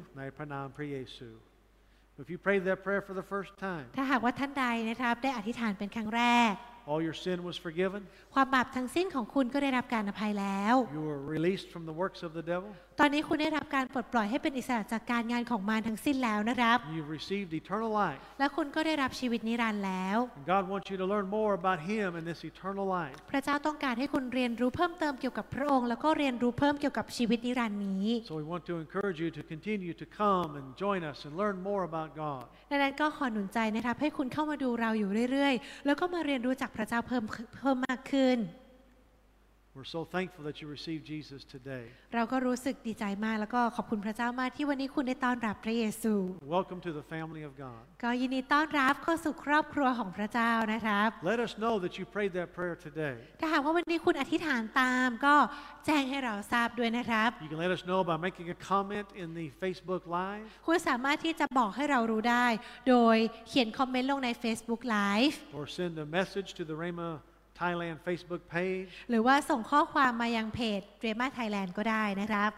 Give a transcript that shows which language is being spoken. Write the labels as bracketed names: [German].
[Thai] ในพระนามพระเยซู [English] If you prayed that prayer for the first time [Thai] ถ้าหากว่าท่านใดนะครับได้อธิษฐานเป็นครั้งแรก [English] All your sin was forgiven [Thai] ความบาปทั้งสิ้นของคุณก็ได้รับการอภัยแล้ว [English] You were released from the works of the devil [Thai] ตอนนี้คุณได้รับการปลดปล่อยให้เป็นอิสระจากการงานของมารทั้งสิ้นแล้วนะครับ [English] You've received eternal life [Thai] และคุณก็ได้รับชีวิตนิรันดร์แล้ว [English] God wants you to learn more about him and this eternal life [Thai] พระเจ้าต้องการให้คุณเรียนรู้เพิ่มเติมเกี่ยวกับพระองค์แล้วก็เรียนรู้เพิ่มเกี่ยวกับชีวิตนิรันดร์นี้ [English] So we want to encourage you to continue to come and join us and learn more about God [Thai] ดังนั้นก็ขอหนุนใจนะครับให้คุณเข้ามาดูเราอยู่เรื่อยๆแล้วก็มาเรียนรู้จากพระเจ้าเพิ่มมากขึ้น [English] We're so thankful that you received Jesus today. [Thai] เราก็รู้สึกดีใจมากแล้วก็ขอบคุณพระเจ้ามากที่วันนี้คุณได้ต้อนรับพระเยซู [English] Welcome to the family of God. [Thai] ก็ยินดีต้อนรับเข้าสู่ครอบครัวของพระเจ้านะครับ [English] Let us know that you prayed that prayer today. [Thai] ถ้าหากว่าวันนี้คุณอธิษฐานตามก็แจ้งให้เราทราบด้วยนะครับ [English] You can let us know by making a comment in the Facebook Live. [Thai] คุณสามารถที่จะบอกให้เรารู้ได้โดยเขียนคอมเมนต์ลงใน Facebook Live. [English] Or send a message to the Rhema Thailand Facebook page [Thai] หรือว่าส่งข้อความมายังเพจ Rhema Thailand ก็ได้นะครับ